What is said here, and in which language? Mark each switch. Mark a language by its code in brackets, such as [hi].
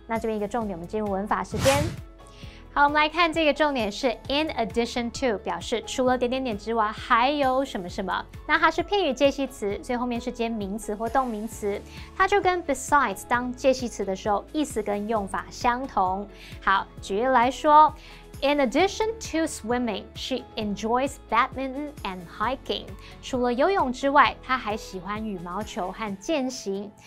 [zh] 那这边一个重点，我们进入文法时间。好，我们来看这个重点是 in addition to， 表示除了点点点之外还有什么什么。那它是片语介系词，最后面是接名词或动名词，它就跟 besides 当介系词的时候意思跟用法相同。好，举例来说， [en] In addition to swimming, she enjoys badminton and hiking. [zh] 除了游泳之外，她还喜欢羽毛球和健行。